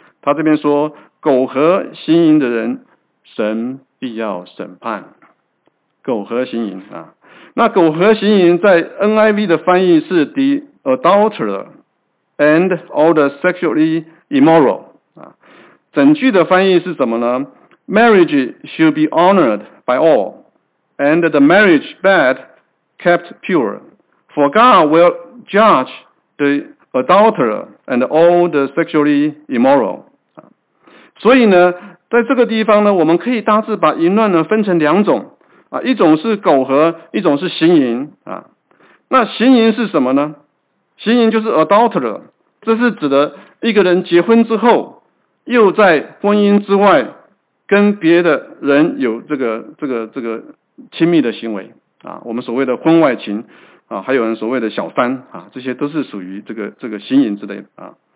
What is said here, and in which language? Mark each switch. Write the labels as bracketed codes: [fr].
[zh] 他这边说，苟合行淫的人，神必要审判。苟合行淫啊，那苟合行淫在 NIV 的翻译是 [en] the adulterer and all the sexually immoral [zh] 啊。整句的翻译是什么呢？ [en] Marriage should be honored by all, and the marriage bed kept pure. For God will judge the adulterer and all the sexually immoral. [zh] 所以呢，在这个地方呢，我们可以大致把淫乱呢分成两种啊，一种是苟合，一种是行淫啊。那行淫是什么呢？行淫就是 adulterer， 这是指的一个人结婚之后又在婚姻之外跟别的人有这个亲密的行为啊，我们所谓的婚外情啊，还有人所谓的小三啊，这些都是属于这个行淫之类的啊。